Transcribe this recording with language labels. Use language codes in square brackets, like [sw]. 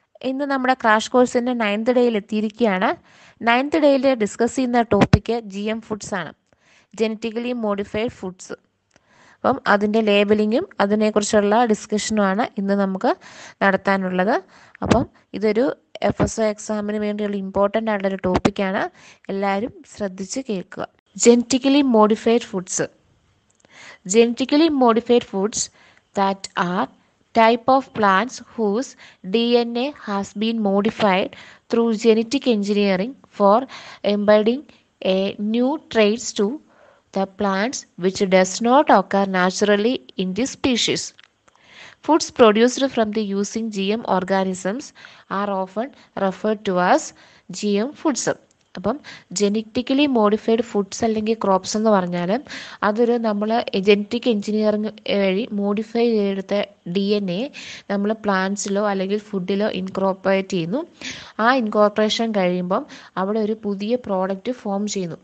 [ml] ഇന്ന് നമ്മുടെ ക്രാഷ് കോഴ്സിൻ്റെ 9th ഡേയിൽ എത്തിയിരിക്കുകയാണ്. 9th ഡേയിൽ ഡിസ്കസ് ചെയ്യുന്ന ടോപ്പിക് GM ഫുഡ്സ് ആണ്, ജനറ്റിക്കലി മോഡിഫൈഡ് ഫുഡ്സ്. അപ്പം അതിൻ്റെ ലേബലിങ്ങും അതിനെക്കുറിച്ചുള്ള ഡിസ്കഷനുമാണ് ഇന്ന് നമുക്ക് നടത്താനുള്ളത്. അപ്പം ഇതൊരു FSO എക്സാമിന് വേണ്ടിയുള്ള ഇമ്പോർട്ടൻ്റ് ആയിട്ടുള്ളൊരു ടോപ്പിക്കാണ്. എല്ലാവരും ശ്രദ്ധിച്ച് കേൾക്കുക. Genetically modified foods. [en] Genetically modified foods that are type of plants whose DNA has been modified through genetic engineering for embedding a new traits to the plants which does not occur naturally in this species. Foods produced from the using GM organisms are often referred to as GM foods. [ml] അപ്പം genetically modified foods അല്ലെങ്കിൽ crops എന്ന് പറഞ്ഞാൽ അതൊരു നമ്മൾ genetic engineering വഴി modify ചെയ്തെടുത്ത DNA നമ്മൾ പ്ലാന്റ്സിലോ അല്ലെങ്കിൽ ഫുഡിലോ ഇൻകോർപ്പറേറ്റ് ചെയ്യുന്നു. ആ ഇൻകോർപ്പറേഷൻ കഴിയുമ്പം അവിടെ ഒരു പുതിയ പ്രോഡക്റ്റ് ഫോം ചെയ്യുന്നു.